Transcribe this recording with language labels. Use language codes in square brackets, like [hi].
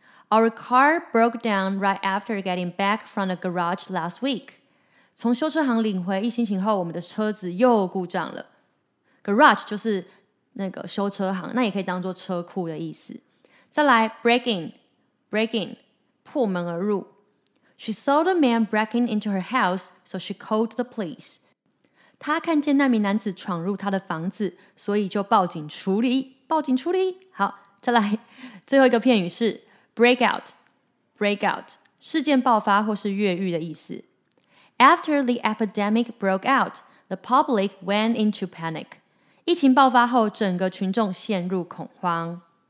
[en] Our car broke down right after getting back from the garage last week. [zh] 从修车行领回一星期后，我们的车子又故障了。 Garage 就是那个修车行，那也可以当作车库的意思。再来 break in， break in 破门而入。 [en] She saw the man breaking into her house, so she called the police. [zh] 她看见那名男子闯入她的房子，所以就报警处理。报警处理。好，再来，最后一个片语是 breakout. Breakout 事件爆发或是越狱的意思。 [en] After the epidemic broke out, the public went into panic. [zh] 疫情爆发后，整个群众陷入恐慌。